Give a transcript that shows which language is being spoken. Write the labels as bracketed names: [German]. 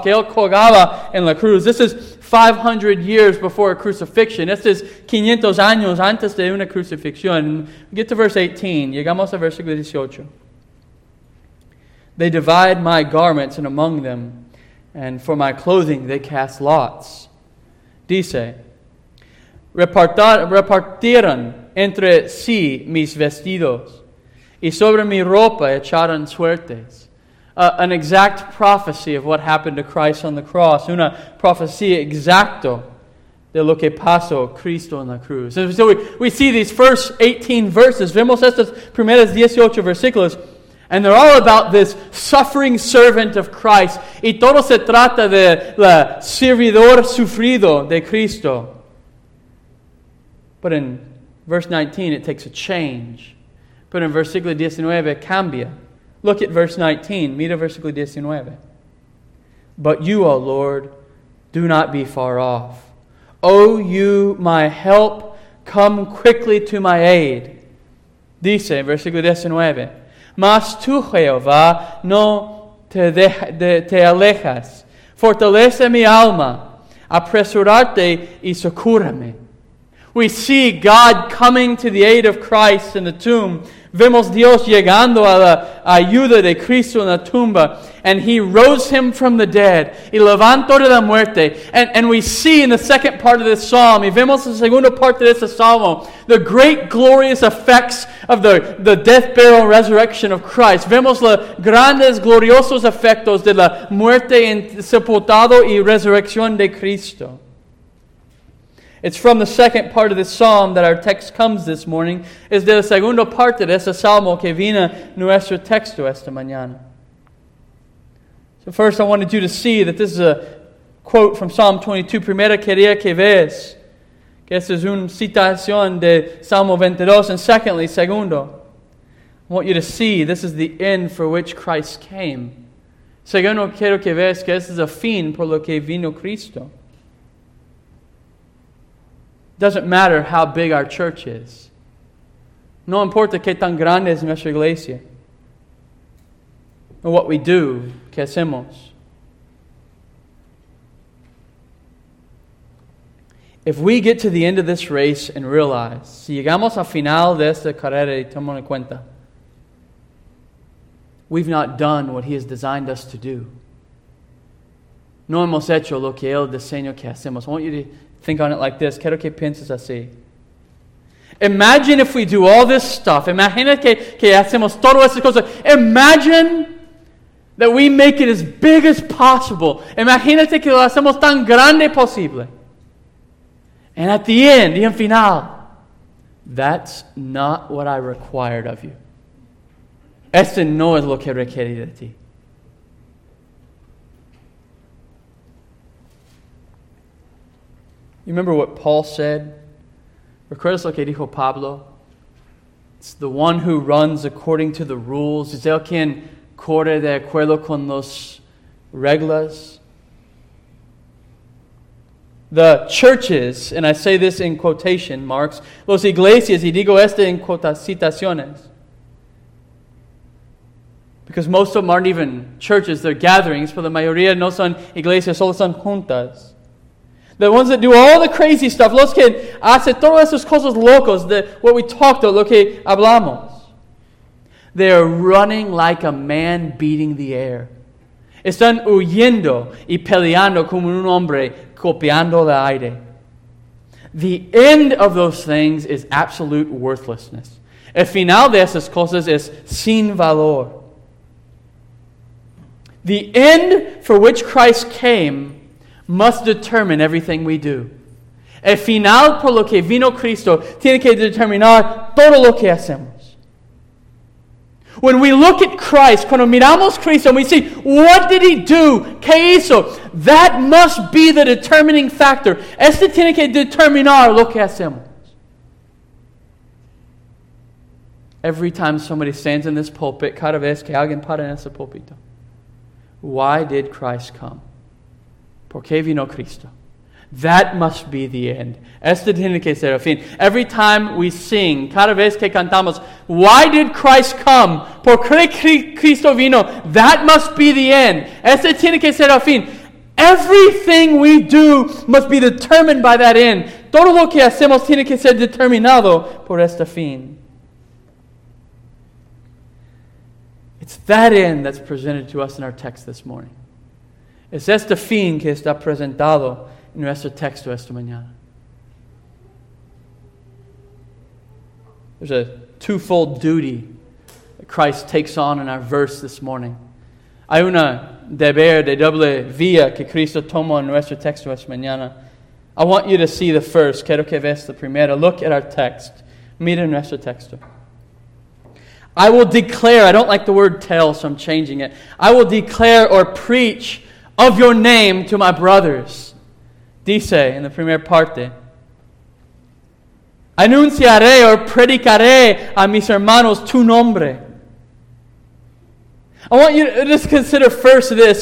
[Spanish] Que él colgaba en la cruz. [English] This is 500 years before a crucifixion. [Spanish] Este es 500 años antes de una crucifixión. [English] Get to verse 18. [Spanish] Llegamos a versículo 18. [English] They divide my garments and among them, and for my clothing they cast lots. [Spanish] Dice, repartieron entre sí mis vestidos, y sobre mi ropa echaron suertes. [English] An exact prophecy of what happened to Christ on the cross. [Spanish] Una profecía exacto de lo que pasó Cristo en la cruz. [English] So we see these first 18 verses. [Spanish] Vemos estos primeros 18 versículos. [English] And they're all about this suffering servant of Christ. [Spanish] Y todo se trata de la servidor sufrido de Cristo. [English] But in verse 19, it takes a change. But in [Spanish] versículo 19, cambia. [English] Look at verse 19. [Spanish] Mira versículo 19. [English] But you, O Lord, do not be far off. O you, my help, come quickly to my aid. [Spanish] Dice, versículo 19. Mas tú, Jehová, no te, te alejas. Fortalece mi alma. Apresurate y socúrame. [English] We see God coming to the aid of Christ in the tomb. [Spanish] Vemos Dios llegando a la ayuda de Cristo en la tumba. [English] And he rose him from the dead. [Spanish] Y levantó de la muerte. [English] And we see in the second part of this psalm, [Spanish] y vemos la segunda parte de este salmo, [English] the great glorious effects of the death, burial, and resurrection of Christ. [Spanish] Vemos los grandes gloriosos efectos de la muerte en sepultado y resurrección de Cristo. [English] It's from the second part of this psalm that our text comes this morning. [Spanish] Es de la segunda parte de ese salmo que viene nuestro texto esta mañana. [English] So first I wanted you to see that this is a quote from Psalm 22. [Spanish] Primera quería que veas que esta es una citación de Salmo 22. [English] And secondly, [Spanish] segundo, [English] I want you to see this is the end for which Christ came. [Spanish] Segundo, quiero que veas que esta es el fin por lo que vino Cristo. [English] Doesn't matter how big our church is. [Spanish] No importa qué tan grande es nuestra iglesia. [English] Or what we do, [Spanish] qué hacemos. [English] If we get to the end of this race and realize, [Spanish] si llegamos al final de esta carrera y tomamos en cuenta, [English] we've not done what He has designed us to do. [Spanish] No hemos hecho lo que Él diseñó que hacemos. [English] I want you to think on it like this. [Spanish] Quiero que pienses así. [English] Imagine if we do all this stuff. [Spanish] Imagina que hacemos todo esto. Cosas. [English] Imagine that we make it as big as possible. [Spanish] Imagínate que lo hacemos tan grande posible. [English] And at the end, [Spanish] y en final, [English] that's not what I required of you. [Spanish] Este no es lo que requerí de ti. [English] You remember what Paul said? [Spanish] ¿Recuerdas lo que dijo Pablo? [English] It's the one who runs according to the rules. [Spanish] Es el quien corre de acuerdo con las reglas. [English] The churches, and I say this in quotation marks, [Spanish] los iglesias, y digo este en citaciones, [English] because most of them aren't even churches, they're gatherings, [Spanish] pero la mayoría no son iglesias, solo son juntas. [English] The ones that do all the crazy stuff, [Spanish] los que hacen todas esas cosas locas, [English] what we talked about, [Spanish] lo que hablamos, [English] they are running like a man beating the air. [Spanish] Están huyendo y peleando como un hombre copiando el aire. [English] The end of those things is absolute worthlessness. [Spanish] El final de esas cosas es sin valor. [English] The end for which Christ came must determine everything we do. [Spanish] El final por lo que vino Cristo tiene que determinar todo lo que hacemos. [English] When we look at Christ, [Spanish] cuando miramos Cristo [English] and we see, what did He do? [Spanish] ¿Qué hizo? [English] That must be the determining factor. [Spanish] Este tiene que determinar lo que hacemos. [English] Every time somebody stands in this pulpit, [Spanish] cada vez que alguien para en ese pulpito, [English] why did Christ come? [Spanish] ¿Por qué vino Cristo? [English] That must be the end. [Spanish] Este tiene que ser el fin. [English] Every time we sing, [Spanish] cada vez que cantamos, [English] why did Christ come? [Spanish] ¿Por qué Cristo vino? [English] That must be the end. [Spanish] Este tiene que ser el fin. [English] Everything we do must be determined by that end. [Spanish] Todo lo que hacemos tiene que ser determinado por este fin. [English] It's that end that's presented to us in our text this morning. [Spanish] Es este fin que está presentado en nuestro texto esta mañana. [English] There's a twofold duty that Christ takes on in our verse this morning. [Spanish] Hay una deber de doble vía que Cristo toma en nuestro texto esta mañana. [English] I want you to see the first. [Spanish] Quiero que veas la primera. [English] Look at our text. [Spanish] Mira nuestro texto. [English] I will declare, I don't like the word tell, so I'm changing it. I will declare or preach of your name to my brothers. [Spanish] Dice in the primera parte. Anunciaré or predicaré a mis hermanos tu nombre. [English] I want you to just consider first this.